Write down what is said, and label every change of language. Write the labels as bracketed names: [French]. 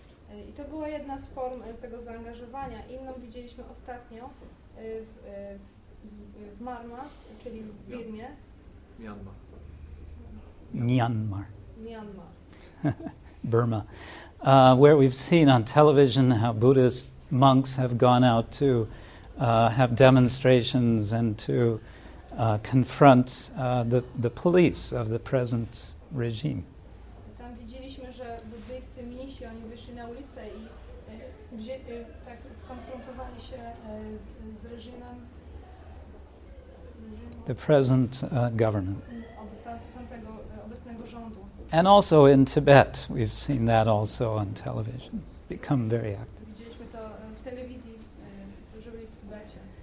[Polish] I to była jedna z form tego zaangażowania. Inną widzieliśmy ostatnio w Myanmar, czyli w Birmie. [English] Myanmar. Burma, where we've seen on television how Buddhist monks have gone out to have demonstrations and to confront the police of the present regime. [Polish] Tam widzieliśmy, że buddyjscy mnisi, oni wyszli na ulicę i tak skonfrontowali się z reżimem. [English] The present government. [Polish] Obecnego rządu. [English] And also in Tibet, we've seen that also on television, become very active. [Polish] Widzieliśmy to w telewizji, że byli w Tybecie.